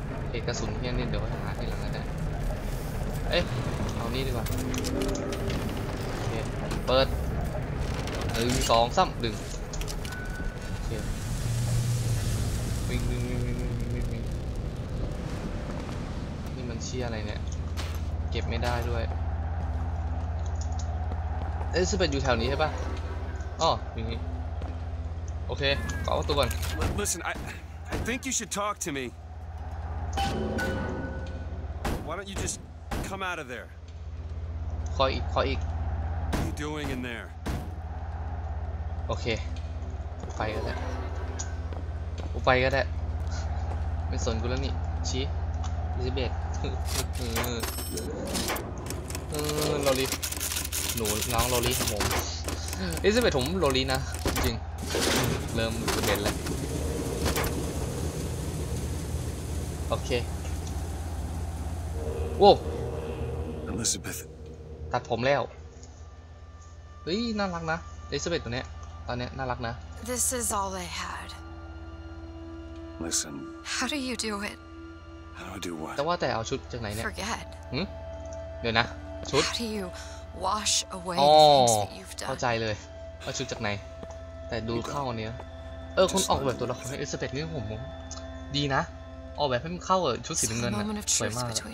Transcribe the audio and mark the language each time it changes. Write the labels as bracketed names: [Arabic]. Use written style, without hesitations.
[Thai] เอกกระสุนเพี้ยนนิดเดียวไว้หาที่หลังก็ได้เอ๊ะเอานี่ดีกว่าโอเคผมเปิดหนึ่งสองสามดึงโอเควิ่งวิ่งวิ่งวิ่งวิ่งวิ่งวิ่งวิ่งนี่มันเชี่ยอะไรเนี่ยเก็บไม่ได้ด้วยเอ๊ะสเปนอยู่แถวนี้ใช่ป่ะอ้ออย่างนี้โอเคก็ตัวก่อน [English] Listen I think you should talk to meWhy don't you just come out of there? [Thai] ขออีก [English] What are you doing in there? [Thai] โอเคไปก็ได้กูไปก็ได้ไม่สนกูแล้วนี่ชี้ลิซิเบตโรลีหนูน้องโรลีของผมลิซิเบตผมโรลีนะจริงเริ่มเป็นแล้วโอเค โว้ Elizabeth ตัดผมแล้วเฮ้ยน่ารักนะ Elizabeth ตัวเนี้ยตอนเนี้ยน่ารักนะ [English] This is all I had Listen How do you do it How do I do what [Thai] แต่ว่าแต่เอาชุดจากไหนเนี่ ย [English] Forget [Thai] เดี๋ยวนะชุด [English] How do you wash away the things that you've done [Thai] เข้าใจเลยเอาชุดจากไหนแต่ดูเข้าอันเนี้ยเออคนออกแบบตัวละครเอสเปดนี่ผมดีนะออกแบบให้มันเข้ากับชุดสีน้ำเงินนะสวยมาก